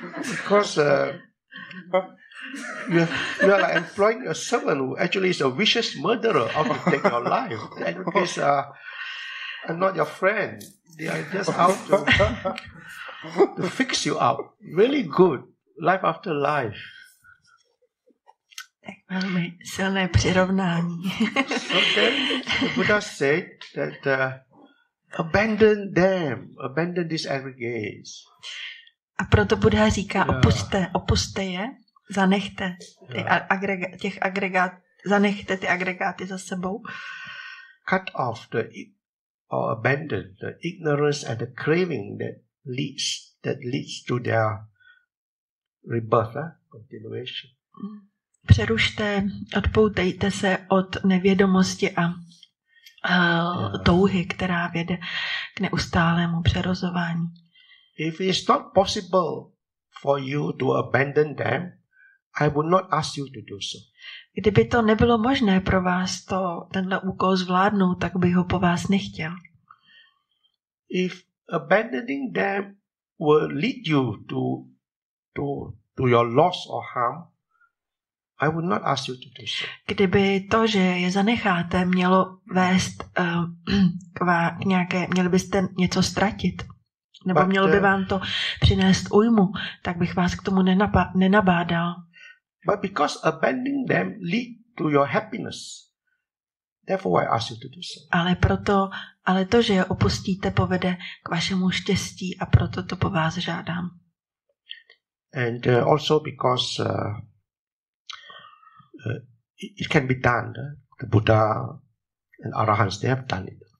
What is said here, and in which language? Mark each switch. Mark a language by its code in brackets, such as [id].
[en] Because you are like employing a servant who actually is a vicious murderer of to take your life. And because I'm not your friend. They are just out to fix you up. Really good. Life after life. [cs] Tak velmi silné přirovnání. [en] So then the Buddha said that abandon them. Abandon these aggregates. [cs] A proto Buddha říká, opuste je, zanechte ty zanechte ty agregáty za sebou. [en] Cut off the or abandon the ignorance and the craving that leads to their rebirth, continuation. [cs] Přerušte, odpoutejte se od nevědomosti a touhy, která vede k neustálému přerozování. [en] If it is not possible for you to abandon them, I would not ask you to do so. [cs] Kdyby to nebylo možné pro vás to tenhle úkol zvládnout, tak bych ho po vás nechtěl. [en] If abandoning them will lead you to your loss or harm, I would not ask you to do so. [cs] Kdyby to, že je zanecháte, mělo vést k nějaké, měli byste něco ztratit, nebo but, mělo by vám to přinést újmu, tak bych vás k tomu nenabádal. [en] But because abandoning them lead to your happiness, therefore I ask you to do so. [cs] Ale to, že je opustíte, povede k vašemu štěstí a proto to po vás žádám. [en] And also because it can be done. The Buddha and Arahants, they have done it.